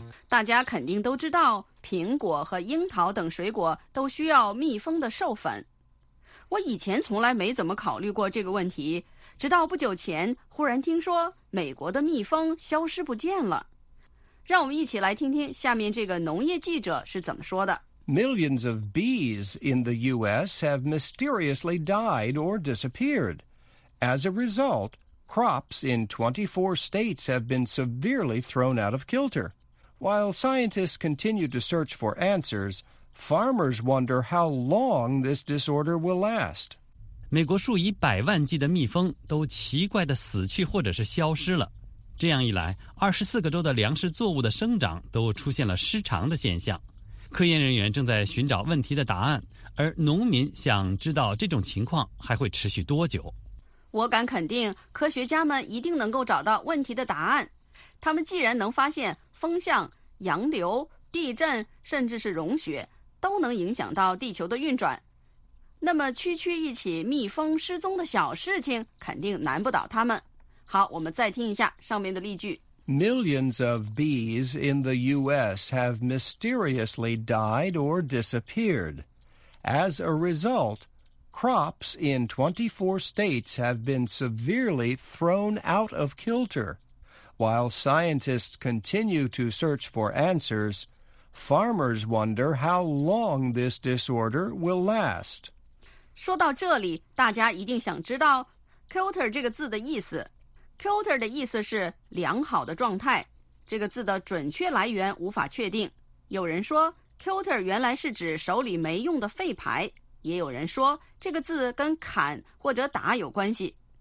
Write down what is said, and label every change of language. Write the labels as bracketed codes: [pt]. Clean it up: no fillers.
[zh] 大家肯定都知道，苹果和樱桃等水果都需要密封的授粉。我以前从来没怎么考虑过这个问题，直到不久前忽然听说美国的蜜蜂消失不见了。让我们一起来听听下面这个农业记者是怎么说的。 [en] Millions of bees in the U.S. have mysteriously died or disappeared. As a result, crops in 24 states have been severely thrown out of kilter. While scientists continue to search for answers, farmers wonder how long this disorder will last. [zh] 美国数以百万计的蜜蜂都奇怪地死去或者是消失了。这样一来，24个州的粮食作物的生长都出现了失常的现象。科研人员正在寻找问题的答案，而农民想知道这种情况还会持续多久。我敢肯定，科学家们一定能够找到问题的答案。他们既然能发现风向、洋流、地震，甚至是融雪，都能影响到地球的运转。那么，区区一起蜜蜂失踪的小事情，肯定难不倒他们。好，我们再听一下上面的例句。 [en] Millions of bees in the U.S. have mysteriously died or disappeared. As a result, crops in 24 states have been severely thrown out of kilter. While scientists continue to search for answers, farmers wonder how long this disorder will last. [zh] 说到这里，大家一定想知道 kilter 这个字的意思。 kilter 的意思是良好的状态。这个字的准确来源无法确定。有人说 kilter 原来是指手里没用的废牌，也有人说这个字跟砍或者打有关系。